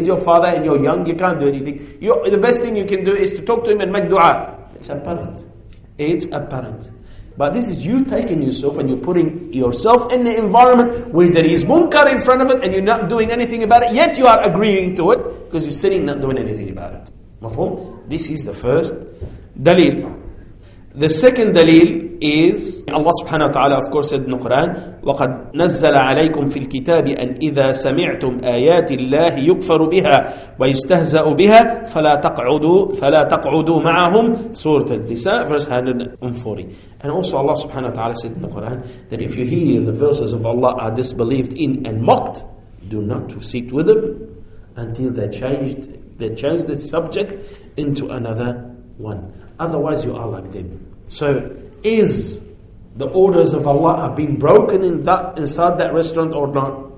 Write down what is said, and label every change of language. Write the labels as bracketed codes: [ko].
[en] He's your father and you're young, you can't do anything. The best thing you can do is to talk to him and make dua. It's apparent. It's apparent. But this is you taking yourself and you're putting yourself in the environment where there is munkar in front of it and you're not doing anything about it, yet you are agreeing to it because you're sitting not doing anything about it. Mafhum? This is the first dalil. The second dalil is Allah subhanahu wa ta'ala, of course, said in the Quran, [ar] وَقَدْ نَزَّلَ عَلَيْكُمْ فِي الْكِتَابِ أَنْ إِذَا سَمِعْتُمْ آيَاتِ اللَّهِ يُكْفَرُ بِهَا وَيُسْتَهْزَأُ بِهَا فَلَا تَقْعُدُوا مَعَهُمْ. [en] Surah Al-Nisa, verse 140. And also Allah subhanahu wa ta'ala said in the Quran that if you hear the verses of Allah are disbelieved in and mocked, do not sit with them until they changed the subject into another one. Otherwise you are like them. So is the orders of Allah are being broken inside that restaurant or not?